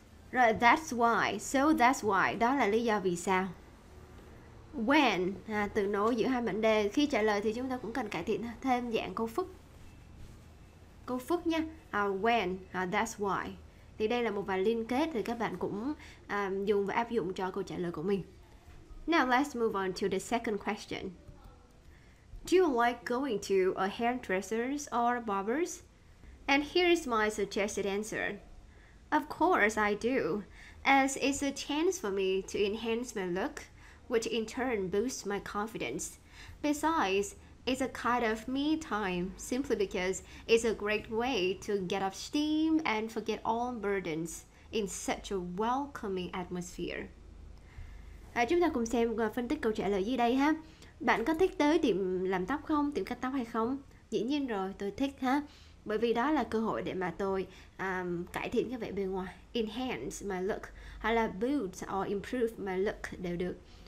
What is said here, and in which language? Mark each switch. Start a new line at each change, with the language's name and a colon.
Vietnamese: Rồi,
English: that's why, so that's why,
Vietnamese: đó là lý do vì sao.
English: When,
Vietnamese: từ nối giữa hai mệnh đề. Khi trả lời thì chúng ta cũng cần cải thiện thêm dạng câu phức. Câu phức nha,
English: when, that's why.
Vietnamese: Thì đây là một vài liên kết thì các bạn cũng dùng và áp dụng cho câu trả lời của mình.
English: Now let's move on to the second question. Do you like going to a hairdresser's or barber's? And here is my suggested answer. Of course I do, as it's a chance for me to enhance my look, which in turn boosts my confidence. Besides, it's a kind of me time, simply because it's a great way to get off steam and forget all burdens in such a welcoming atmosphere.
Vietnamese: Chúng ta cùng xem phân tích câu trả lời dưới đây ha. Bạn có thích tới tiệm làm tóc không, tiệm cắt tóc hay không? Dĩ nhiên rồi, tôi thích ha. Bởi vì đó là cơ hội để mà tôi cải thiện cái vẻ bề ngoài.
English: Enhance my look,
Vietnamese: hoặc là
English: build or improve my look
Vietnamese: đều được.